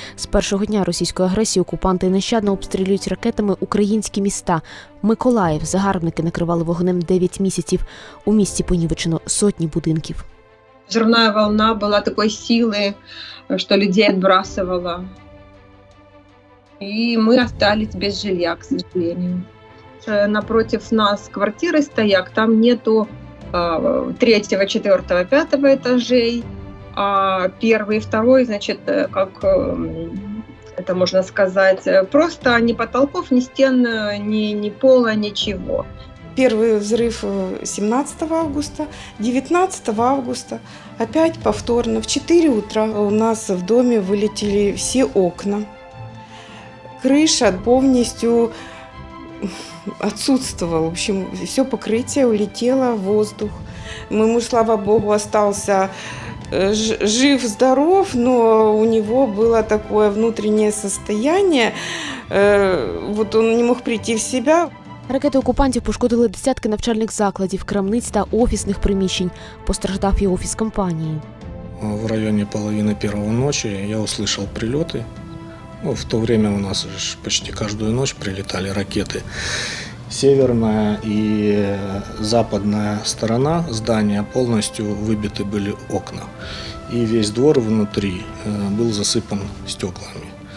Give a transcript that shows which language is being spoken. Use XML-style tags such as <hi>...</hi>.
<uk>З першого дня російської агресії окупанти нещадно обстрілюють ракетами українські міста. Миколаїв загарбники накривали вогнем 9 місяців. У місті понівечено сотні будинків. Взривна волна була такої сили, що людей відбрасувала. І ми залишились без жилья,</uk> <ru>к сожалению. Напротив нас квартиры стояк, там нету третьего, четвертого, пятого этажей, а первый и второй, значит, как это можно сказать, просто ни потолков, ни стен, ни пола, ничего. Первый взрыв 17 августа, 19 августа, опять повторно, в 4 утра у нас в доме вылетели все окна, крыша полностью... отсутствовал. В общем, все покрытие улетело в воздух. Мой муж, слава богу, остался жив-здоров, но у него было такое внутреннее состояние. Вот он не мог прийти в себя.</ru> <uk>Ракети окупантів пошкодили десятки навчальних закладів, крамниць та офісних приміщень. Постраждав і офіс компанії. В районі половини першої ночі</uk> <ru>я услышал</ru> <uk>прильоти.</uk> <ru>В то время у нас почти каждую ночь прилетали ракеты. Северная и западная сторона здания полностью выбиты были окна. И весь двор внутри был засыпан стеклами.</ru>